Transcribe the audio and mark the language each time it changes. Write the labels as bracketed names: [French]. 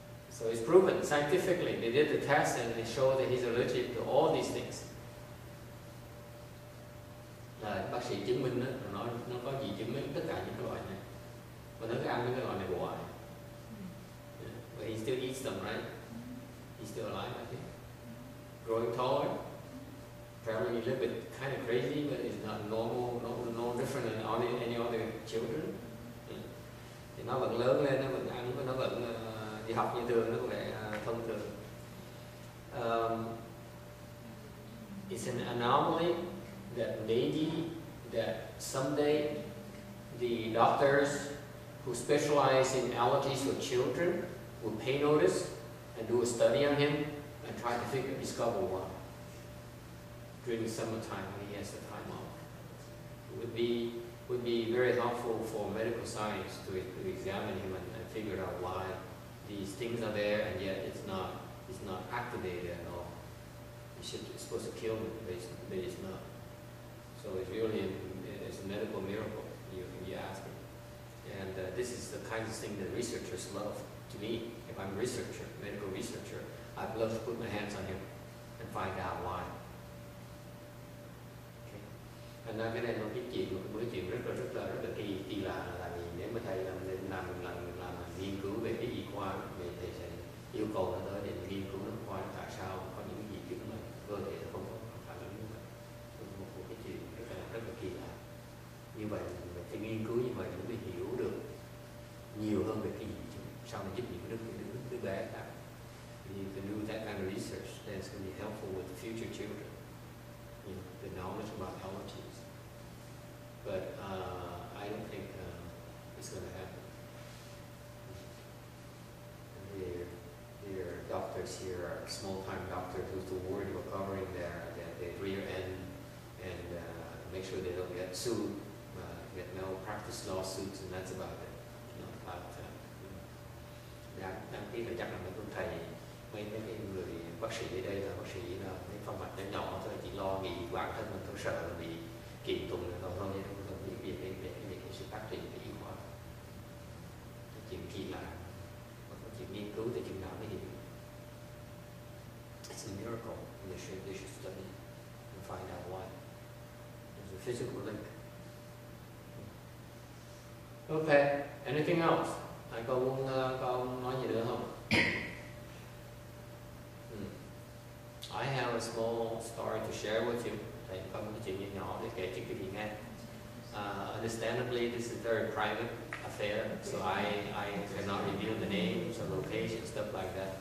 [English] So it's proven scientifically. They did the test and they showed that he's allergic to all these things. [Vietnamese] Rồi bác sĩ chứng minh đó, nó có gì chứng minh tất cả những loại này. Và nó cứ ăn những cái loại này hoài. [English] Yeah. But he still eats them, right? He's still alive, I think. Growing tall, apparently a little bit kind of crazy, but it's not normal, no different than any other children. [Vietnamese] Thì nó vẫn lớn lên, nó vẫn ăn, nó vẫn đi học như thường, nó có vẻ thông thường. [English] It's an anomaly that maybe that someday the doctors who specialize in allergies for children will pay notice and do a study on him and try to figure, discover why during the summertime when he has the time off. It would be very helpful for medical science to examine him and figure out why these things are there and yet it's not activated at all. It's supposed to kill him, but it's not. So it's really it's a medical miracle, you ask him. And this is the kind of thing that researchers love. To me, if I'm a researcher, medical researcher, I'd love to put my hands on him and find out why. [Vietnamese] Thành ra cái này là một cái chuyện rất là kỳ lạ, là vì nếu mà thầy làm nghiên cứu về cái y khoa thì thầy sẽ yêu cầu nó tới để nghiên cứu nó khoa tại sao có những cái gì chứ mà cơ thể nó không có phản ứng như vậy. Một cái chuyện rất là kỳ lạ. Như vậy mình phải nghiên cứu như vậy mình mới hiểu được nhiều hơn về cái gì chứ. Sau này giúp những đứa bé khác. [English] You can do that kind of research that's going to be helpful with the future children. You know, the knowledge about allergies. But I don't think it's going to happen. Their doctors here are small-time doctors who's too worried about covering their rear end and make sure they don't get sued, get malpractice lawsuits, and that's about it. You know, [Vietnamese] bác sĩ ở đây là mấy phong mạch nó nhỏ thôi, chỉ lo nghĩ bản thân mình, tôi sợ là bị kiện tụng là không nên không cần biết việc về cái sự phát triển của y khoa, chuyện kỳ lạ, chuyện nghiên cứu thì chuyện nào mới hiểu. [English] It's a miracle. They should study and find out why. There's a physical link. Okay. Anything else? [Vietnamese] Anh có muốn con nói gì nữa không? [English] I have a small story to share with you. [Vietnamese] Thầy có một cái chuyện nhỏ nhỏ để kể cho quý vị nghe. [English] Understandably, this is a very private affair, so I cannot reveal the names or locations, stuff like that.